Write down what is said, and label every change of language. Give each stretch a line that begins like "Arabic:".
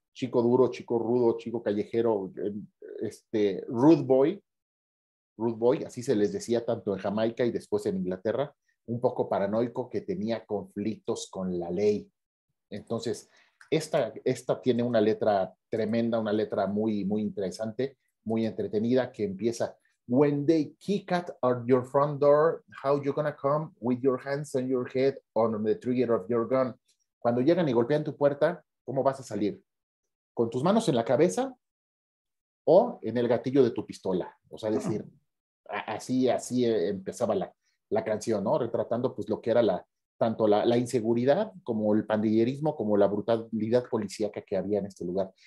Spanish: Chico duro, chico rudo, chico callejero, rude boy, así se les decía tanto en Jamaica y después en Inglaterra, un poco paranoico, que tenía conflictos con la ley. Entonces, esta tiene una letra tremenda, una letra muy, muy interesante, muy entretenida, que empieza...
English: When they kick at your front door, how you gonna come with your hands on your head on the trigger of your gun?
Spanish: Cuando llegan y golpean tu puerta, ¿cómo vas a salir? ¿Con tus manos en la cabeza o en el gatillo de tu pistola? O sea, decir, así empezaba la canción, ¿no? Retratando pues lo que era tanto la inseguridad como el pandillerismo, como la brutalidad policíaca que había en este lugar.